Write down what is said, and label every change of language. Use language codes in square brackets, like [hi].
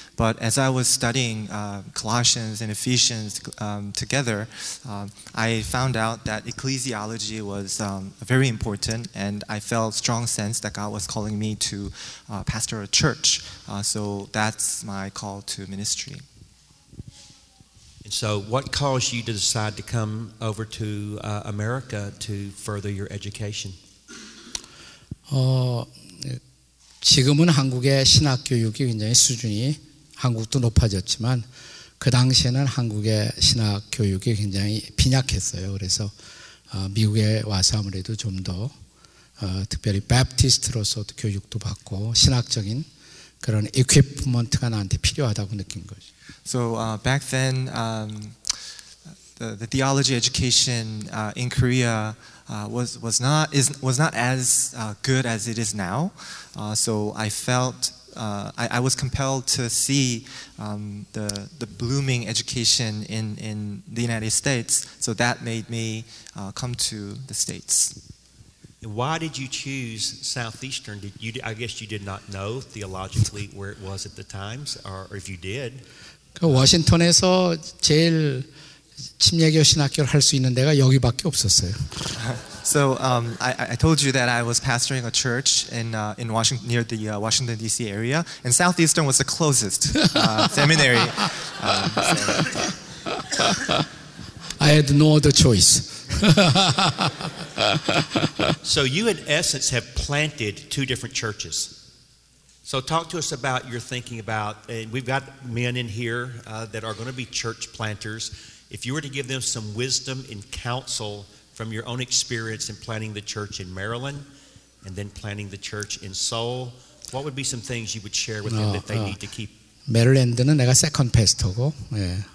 [en] But as I was studying Colossians and Ephesians together, I found out that ecclesiology was very important, and I felt strong sense that God was calling me to pastor a church. So that's my call to ministry. So what caused you to decide to come over to America to further your education? [ko] 지금은 한국의 신학 교육이 굉장히 수준이 한국도 높아졌지만 그 당시에는 한국의 신학 교육이 굉장히 빈약했어요. 그래서 미국에 와서 아무래도 좀 더 특별히 Baptist로서 교육도 받고 신학적인 그런 equipment가 나한테 필요하다고 느낀 거죠. [en] So back then, the theology education in Korea was not as good as it is now. So I felt I was compelled to see the blooming education in the United States. So that made me come to the States. Why did you choose Southeastern? I guess you did not know theologically where it was at the times, or if you did. [ko] 워싱턴에서 제일 침례교 신학교를 할 수 있는 데가 여기밖에 없었어요. [en] So I told you that I was pastoring a church in Washington near the Washington DC area, and Southeastern was the closest seminary. I had no other choice. So you, in essence, have planted two different churches. So talk to us about your thinking about, and we've got men in here that are going to be church planters. If you were to give them some wisdom and counsel from your own experience in planting the church in Maryland and then planting the church in Seoul, what would be some things you would share with them that they need to keep? [ko] 메릴랜드는 내가 세컨드 패스터고, 예.